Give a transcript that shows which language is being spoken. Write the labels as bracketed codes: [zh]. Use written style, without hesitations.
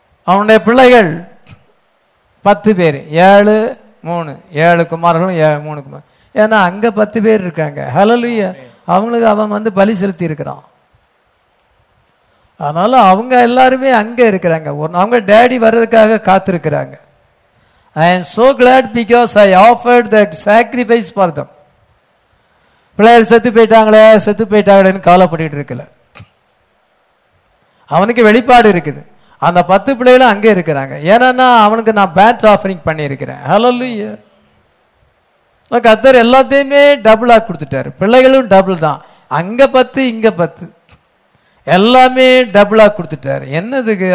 [ta] அவனுடைய பிள்ளைகள் 10 பேர், 7, 3, 7 குமாரர்களும் 3 குமார். ஏன்னா அங்க 10 பேர் இருக்காங்க. ஹல்லேலூயா. அவங்களுக்கு அவன் வந்து பலி செலுத்தி இருக்கிறான். அதனால அவங்க எல்லாருமே அங்க இருக்கிறாங்க, அவங்க டேடி வர்றதுக்காக காத்திருக்கிறாங்க. [en] I am so glad because I offered that sacrifice for them. [ta] பிள்ளைகள் செத்து போயிட்டாங்களே, செத்து போயிட்டாங்களேன்னு காலப்பட்டு இருக்கல. அவனுக்கு வெளிப்பாடு இருக்குது. அந்த 10 பிள்ளைகளும் அங்கே இருக்கிறாங்க. ஏன்னா அவனுக்கு நான் பேட் ஆஃபரிங் பண்ணியிருக்கிறேன். ஹல்லேலூயா. கர்த்தர் எல்லாத்தையுமே டபுளாக கொடுத்துட்டாரு. பிள்ளைகளும் டபுள் தான், அங்கே 10, இங்கே 10, எல்லாமே டபுளாக கொடுத்துட்டாரு. என்னதுக்கு?